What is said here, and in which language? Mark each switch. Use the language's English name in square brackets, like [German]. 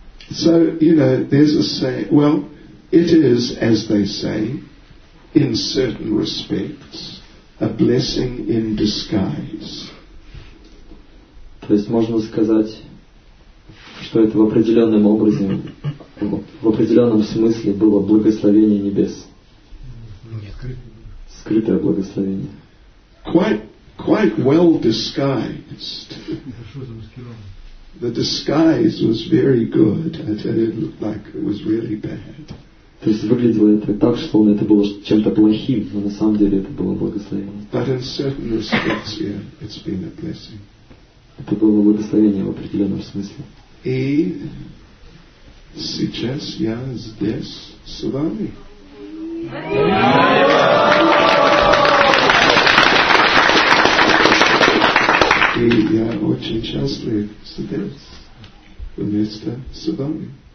[English] So, you know, there's a say, well, it is, as they say, in certain respects, a blessing in disguise. [Russian] То есть можно сказать, что это в определенном образе, в определенном смысле было благословение небес. Скрытое благословение. [English] Quite well disguised. The disguise was very good. It didn't look like it was really bad. [Russian] То есть выглядело это так, словно это было чем-то плохим, но на самом деле это было благословение. [English] But in certain respects, yeah, it's been a blessing. [Russian] Это было благословение в определенном смысле. И сейчас я здесь с вами. И я очень счастлив здесь, вместо с вами.